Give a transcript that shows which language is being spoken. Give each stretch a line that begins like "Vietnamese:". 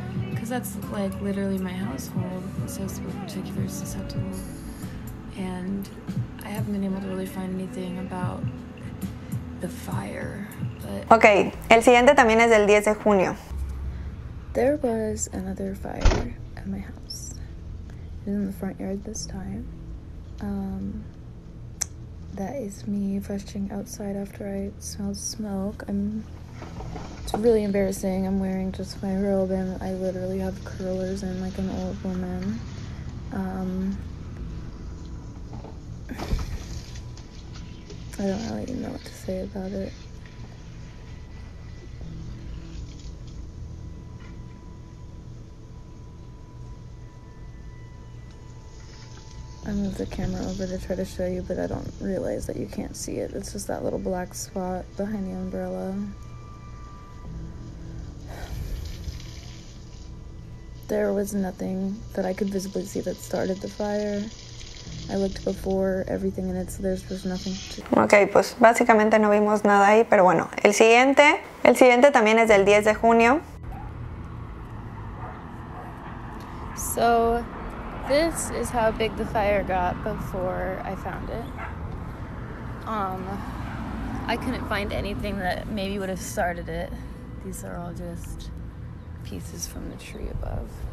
English: Because that's like literally my household, so it's particularly susceptible. And I haven't been able to really find anything about the fire. But
Spanish: okay, el siguiente también es del 10 de junio.
English: There was another fire at my house. It was in the front yard this time. That is me rushing outside after I smelled smoke. It's really embarrassing. I'm wearing just my robe and I literally have curlers and like an old woman. I don't really know what to say about it. I moved the camera over to try to show you, but I don't realize that you can't see it. It's just that little black spot behind the umbrella. There was nothing that I could visibly see that started the fire. I looked before everything and there's nothing to...
Spanish: Okay, pues básicamente no vimos nada ahí, pero bueno, el siguiente también es del 10 de junio.
English: So, this is how big the fire got before I found it. I couldn't find anything that maybe would have started it. These are all just pieces from the tree above.